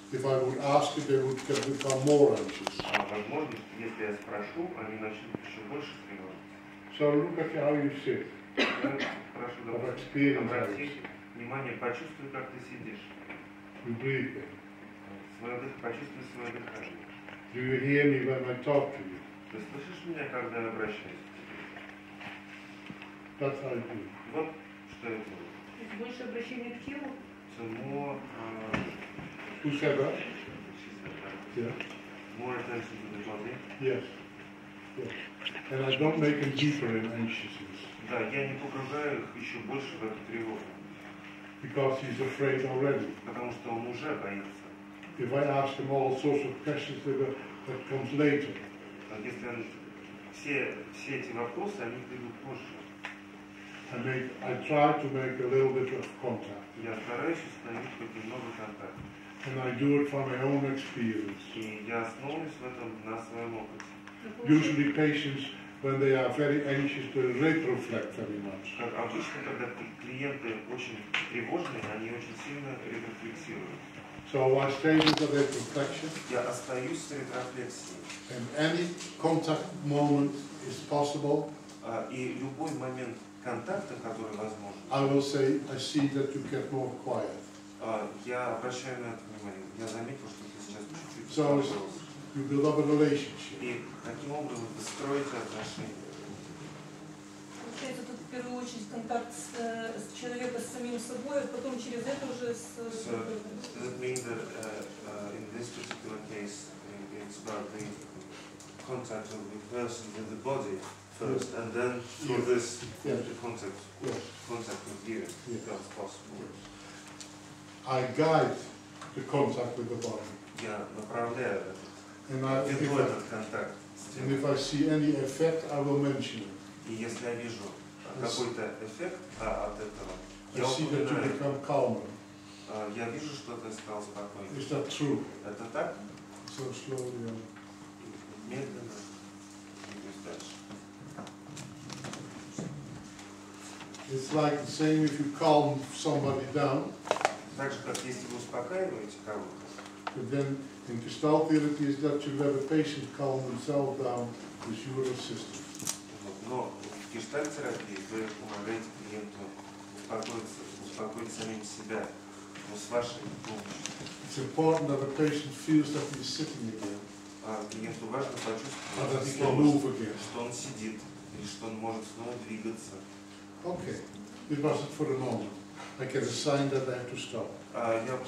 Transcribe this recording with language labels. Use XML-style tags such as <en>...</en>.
<en>if I would ask it, they would become more anxious.</en> <ru>А возможно, если я спрошу, они начнут еще больше тревожиться.</ru> <en>So look at how you sit.</en> <ru>Прошу, обратите внимание, почувствуй, как ты сидишь.</ru> <en>You breathe.</en> <ru>Почувствуй свое дыхание.</ru> <en>Do you hear me when I talk to you?</en> <ru>Ты слышишь меня, когда я обращаюсь?</ru> <en>That's how I do.</en> <ru>Вот что я делаю. Больше обращения к телу? Тому... У себя?</ru> <en>Yeah. More attention to the body? Yes. Yes. And I don't make them deeper in anxiousness.</en> <ru>Да, я не погружаю их еще больше в эту тревогу.</ru> <en>Because he's afraid already.</en> <ru>Потому что он уже боится.</ru> <en>If I ask him all sorts of questions that comes later.</en> <ru>Если он... Все эти вопросы, они придут позже.</ru> <en>I try to make a little bit of contact.</en> <ru>Я стараюсь установить хоть немного контакта.</ru> <en>And I do it from my own experience.</en> <ru>И я основываюсь в этом на своем опыте.</ru> <en>Usually patients, when they are very anxious, they retroflect very much.</en> <ru>Как обычно, когда клиенты очень тревожные, они очень сильно ретрофлексируют.</ru> <en>So I stay with the retroflection.</en> <ru>Я остаюсь с ретрофлексией.</ru> <en>And any contact moment is possible.</en> <ru>И любой момент контакта, который возможен.</ru> <en>I will say, I see that you get more quiet.</en> <ru>Я обращаю на это внимание. Я заметил, что ты сейчас чуть-чуть.</ru> <en>So you build up a relationship.</en> <ru>И таким образом вы строите отношения. Получается, тут в первую очередь контакт с человеком с самим собой, а потом через это уже с.</ru> <en>So does it mean that in this particular case it's about the contact of the person with the body? First, and then through yes. this yes. Contact with you, if yes. that's possible. Yes. I guide the contact with the body.</en> <ru>Yeah, направляю этот.</ru> <en>And I</en> <ru>веду этот контакт.</ru> <en>And if I see any effect, I will mention it.</en> <ru>И если я вижу какой-то эффект от этого,</ru> <en>I see that you become calmer.</en> <ru>Я вижу, что ты стал спокойнее.</ru> <en>Is that true?</en> <ru>Это так?</ru> <en>So slowly.</en> <ru>Медленно.</ru> <en>It's like the same if you calm somebody down.</en> <ru>Так же, как если вы успокаиваете кого-то.</ru> <en>But then in Gestalt therapy is that you let a patient calm himself down with your assistance.</en> <ru>Вот. Но в Gestalt терапии вы помогаете клиенту успокоить самим себя, но с вашей помощью.</ru> <en>It's important that the patient feels that he's sitting again.</en> <ru>Клиенту важно почувствовать,</ru> <en>that he can move again.</en> <ru>Что он сидит или что он может снова двигаться.</ru> <en>Okay, it was it for the moment. I can assign that I have to stop.</en>